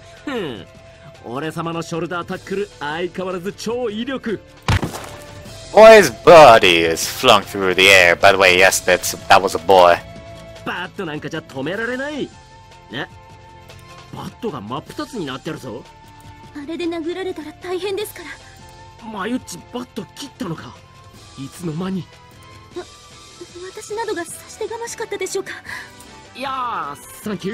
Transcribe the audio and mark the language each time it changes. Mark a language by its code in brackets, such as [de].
[ja] ー。ふん、俺様のショルダータックル相変わらず超威力。 [en] boy's body is flung through the air. By the way, yes, that was a boy. [ja] Bat なんかじゃ止められない。ね。バットが真っ二つになってるぞ。あれで殴られたら大変ですから。マユッチバット切ったのか。いつの間に。私などが差し出がましかったでしょうか。いやー、サンキュ